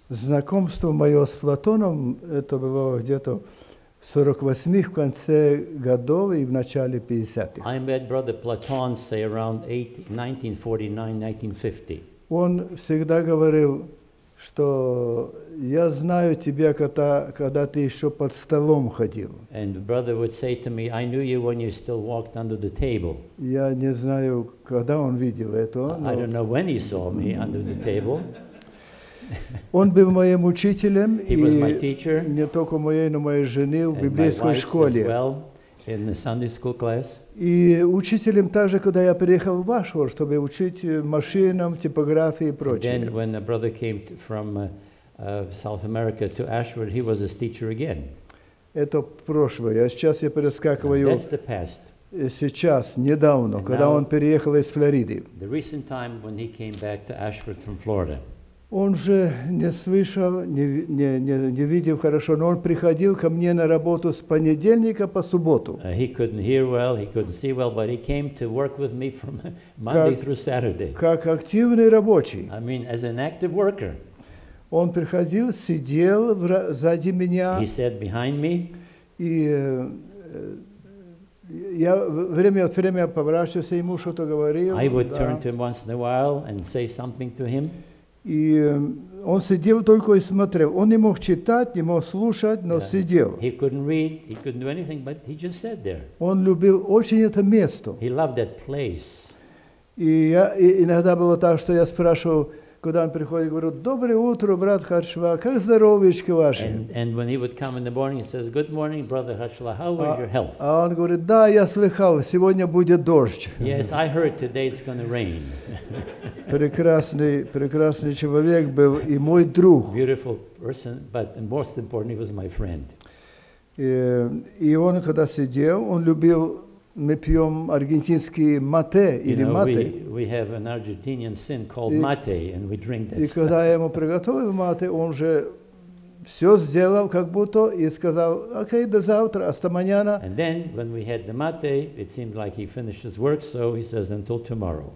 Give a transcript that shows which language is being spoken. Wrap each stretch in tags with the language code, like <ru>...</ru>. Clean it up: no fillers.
<ru>Знакомство мое с Платоном, это было где-то в 48-х, в конце годов и в начале 50-х.</ru> <en>I met brother Platon, say, around 1949-1950.</en> <ru>Он всегда говорил, что я знаю тебя, когда ты еще под столом ходил.</ru> <en>And brother would say to me, I knew you when you still walked under the table.</en> <ru>Я не знаю, когда он видел это.</ru> <en>I don't know when he saw me under the table.</en> <ru>Он был моим учителем.</ru> <en>He was my teacher.</en> <ru>Не только моей, но моей жены в библейской школе.</ru> <en>Well, in the Sunday school class.</en> <ru>И учителем также, когда я приехал в Вашор, чтобы учить машинам, типографии и прочее.</ru> <en>And then when a brother came from South America to Ashford, he was his teacher again.</en> <ru>Это прошлое. А сейчас я перескакиваю.</ru> <en>And that's the past.</en> <ru>Сейчас, недавно,</ru> <en>and</en> <ru>когда</ru> <en>now,</en> <ru>он переехал из Флориды.</ru> <en>The recent time when he came back to Ashford from Florida.</en> <ru>Он же не слышал, не видел хорошо, но он приходил ко мне на работу с понедельника по субботу.</ru> <en>He couldn't hear well, he couldn't see well, but he came to work with me from Monday through Saturday.</en> <ru>Как активный рабочий.</ru> <en>I mean, as an active worker.</en> <ru>Он приходил, сидел сзади меня.</ru> <en>He sat behind me.</en> <ru>И я время от времени поворачивался, ему что-то говорил.</ru> <en>I would turn to him once in a while and say something to him.</en> <ru>И он сидел только и смотрел. Он не мог читать, не мог слушать, но сидел.</ru> <en>He couldn't read, he couldn't do anything, but he just sat there.</en> <ru>Он любил очень это место.</ru> <en>He loved that place.</en> <ru>И иногда было так, что я спрашивал, когда он приходит, говорю: «Доброе утро, брат Хачла, как здоровьечки ваши?»</ru> <en>And when he would come in the morning, he says, «Good morning, brother Хачла, how is your health?»</en> <ru>А он говорит: «Да, я слыхал, сегодня будет дождь».</ru> <en>Yes, I heard today it's going to rain.</en> <ru>Прекрасный человек был и мой друг.</ru> <en>Beautiful person, but most important, he was my friend.</en> <ru>И он, когда сидел, он любил, мы пьем аргентинский мате или мате.</ru> <en>You know, we have an Argentinian sin called mate, and we drink that.</en> <ru>И когда я ему приготовил мате, он же все сделал, как будто, и сказал: «Окей, до завтра,</ru> <es>hasta mañana».</es> <en>And then, when we had the mate, it seemed like he finished his work, so he says, until tomorrow.</en>